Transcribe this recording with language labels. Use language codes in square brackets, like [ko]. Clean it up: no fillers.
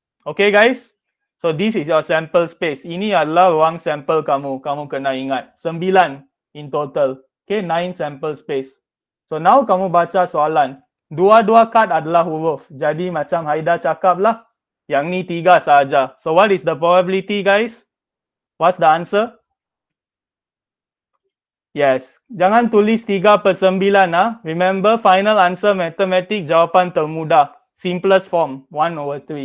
[en] Okay guys, so this is your sample space. [ms] Ini adalah ruang sample kamu. Kamu kena ingat. [en] 9 in total. Okay, 9 sample space. [ms] So now kamu baca soalan. Dua-dua kad adalah huruf. Jadi macam Haida cakap lah. Yang ni 3 sahaja. [en] So what is the probability guys? What's the answer? [ms] Yes, jangan tulis 3/9 ah. [en] Remember, final answer [ms] matematik jawapan termudah, [en] simplest form [ms] 1/3.